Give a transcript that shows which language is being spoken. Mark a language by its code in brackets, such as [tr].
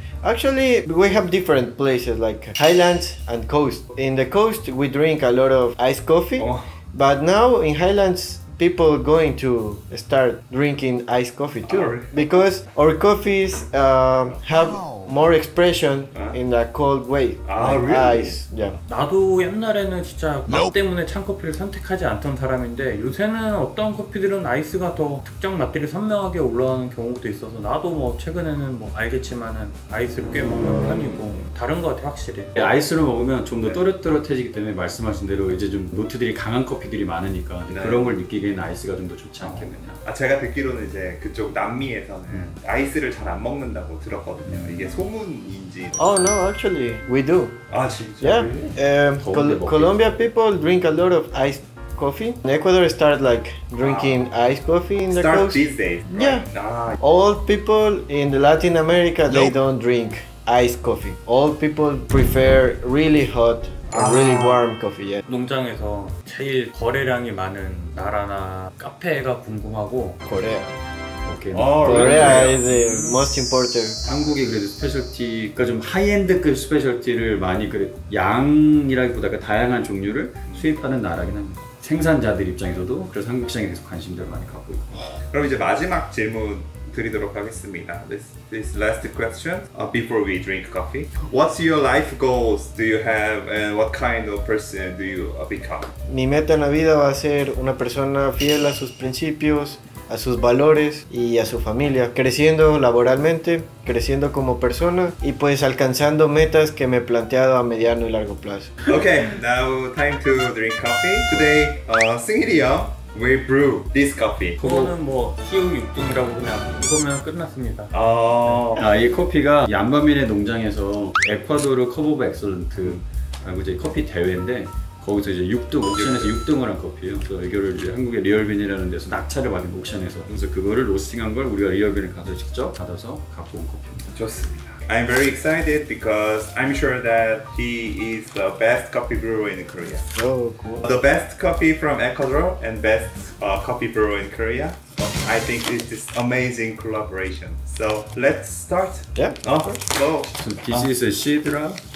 [en] Actually, we have different places like highlands and coast. In the coast, we drink a lot of iced coffee. But now in highlands, people going to start drinking iced coffee too. Because our coffees have more expression in a cold way. Really? Ice. Yeah. [ko] 나도 옛날에는 진짜 맛 때문에 찬 커피를 선택하지 않던 사람인데 요새는 어떤 커피들은 아이스가 더 특정 맛들이 선명하게 올라오는 경우도 있어서 나도 뭐 최근에는 뭐 알겠지만은 아이스를 꽤 먹는 편이고 다른 것 같아 확실히. 아이스를 먹으면 좀 더 또렷또렷해지기 때문에 말씀하신 대로 이제 좀 노트들이 강한 커피들이 많으니까 그런 걸 느끼기에는 아이스가 좀 더 좋지 않겠느냐. 아 제가 듣기로는 이제 그쪽 남미에서는 아이스를 잘 안 먹는다고 들었거든요. 이게 소문인지. [en] Oh no, actually, we do. [ko] 아 진짜? [en] Yeah. Colombia people drink a lot of iced coffee. In Ecuador start like drinking iced coffee in the start Start these days. Right? Yeah. Nah. Old people in the Latin America they don't drink iced coffee. Old people prefer really hot or really warm coffee. Yeah. [ko] 농장에서 제일 거래량이 많은 나라나 카페가 궁금하고. [en] 거래. Okay. Oh, Korea really? is the most important. [ko] 한국이 그래도 스페셜티가 좀 하이엔드급 스페셜티를 많이 그래 양이라기보다 그 다양한 종류를 수입하는 나라긴 합니다. 생산자들 입장에서도 그래서 한국 시장에 대해서 관심들 많이 갖고 있고. 그럼 이제 마지막 질문 드리도록 하겠습니다. [en] This last question before we drink coffee. What's your life goals do you have and what kind of person do you become? [es] Mi meta en la vida va a ser una persona fiel a sus principios. A sus valores y a su familia, creciendo laboralmente, creciendo como persona y pues alcanzando metas que me he planteado a mediano y largo plazo. [en] Okay, now time to drink coffee. Today, Singirio, we brew this coffee. [ko] 그거는 뭐 키우육등이라고 그냥 이거면 끝났습니다. 아, 이 커피가 얀바미네 농장에서 에콰도르 커브 오브 엑설런트라고 이제 커피 대회인데 거기서 이제 6등, 옥션에서 6등을 한 커피예요. 그래서 이거를 이제 한국의 리얼빈이라는 데서 낙찰을 받은 옥션에서 그래서 그거를 로스팅한 걸 우리가 리얼빈에 가서 직접 받아서 갖고 온 커피입니다. 좋습니다. [en] I'm very excited because I'm sure that he is the best coffee brewer in Korea. Oh, cool. The best coffee from Ecuador and best coffee brewer in Korea. I think it's this amazing collaboration. So let's start. Yeah. This is a Sidra.